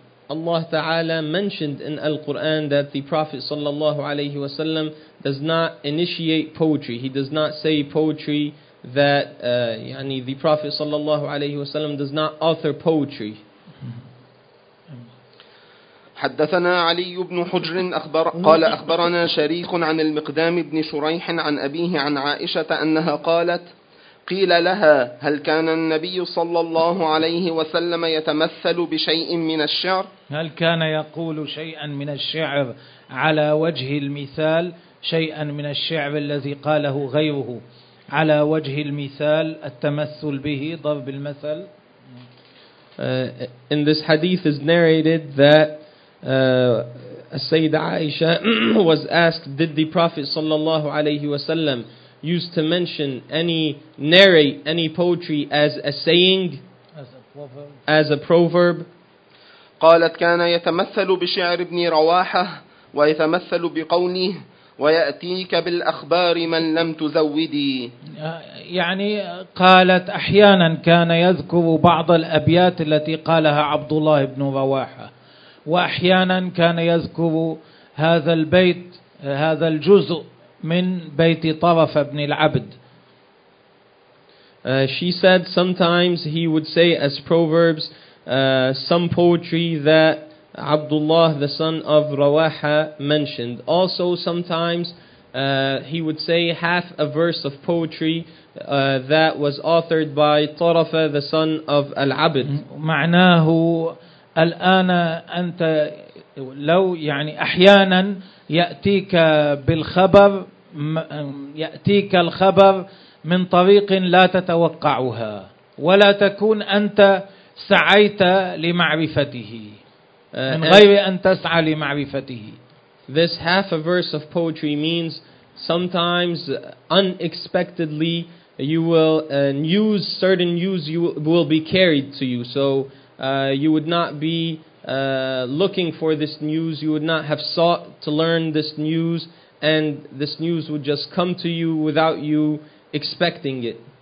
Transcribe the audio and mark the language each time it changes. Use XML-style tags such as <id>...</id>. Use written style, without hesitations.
<en>Allah Ta'ala mentioned in Al-Quran that the Prophet sallallahu alayhi wa sallam does not initiate poetry. He does not say poetry that, يعني the Prophet sallallahu alayhi wa sallam does not author poetry.</en> <ar>حدثنا علي بن حجر أخبر قال أخبرنا شريك عن المقدام بن شريح عن أبيه عن عائشة أنها قالت قيل لها هل كان النبي صلى الله عليه وسلم يتمثل بشيء من الشعر؟ هل كان يقول شيئا من الشعر على وجه المثال شيئا من الشعر الذي قاله غيره على وجه المثال التمثل به ضرب المثل؟</ar> <en>In this hadith is narrated that Sayyidah Aisha was asked, did the Prophet sallallahu alayhi wa sallam used to mention any, narrate any poetry as a saying, as a proverb?</en> <ar>قالت كان يتمثل بشعر ابن رواحة ويتمثل بقوله ويأتيك بالأخبار من لم تزودي. يعني قالت أحيانا كان يذكر بعض الأبيات التي قالها عبد الله بن رواحة وأحيانا كان يذكر هذا البيت هذا الجزء من بيت طرف بن العبد.</ar> <en>She said sometimes he would say as proverbs some poetry that Abdullah the son of Rawaha mentioned. Also sometimes he would say half a verse of poetry that was authored by طرف the son of العبد.</en> <ar>معناه الآن أنت لو يعني أحيانا يأتيك بالخبر يأتيك الخبر من طريق لا تتوقعها ولا تكون أنت سعيت لمعرفته من غير أن تسعى لمعرفته.</ar> <en>This half a verse of poetry means sometimes unexpectedly you will news, certain news you will be carried to you. So you would not be looking for this news, you would not have sought to learn this news, and this news would just come to you without you expecting it.</en>